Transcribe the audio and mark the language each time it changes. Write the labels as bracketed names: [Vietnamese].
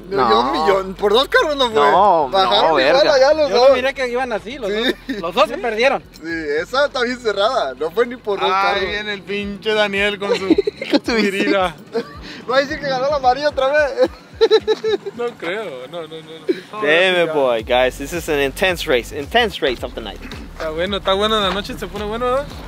[Spanish] No. Un millón. Por dos carros no fue. No, bajaron igual allá los dos. Yo miré que iban así, los dos. Los dos se perdieron. Sí, esa está bien cerrada. No fue ni por dos carros. Ahí viene el pinche Daniel con su. Con su virida. Va a decir que ganó la María otra vez. No creo, no. [English] Damn it, boy, guys, this is an intense race of the night. [Spanish] Está bueno en la noche, se pone bueno, ¿verdad?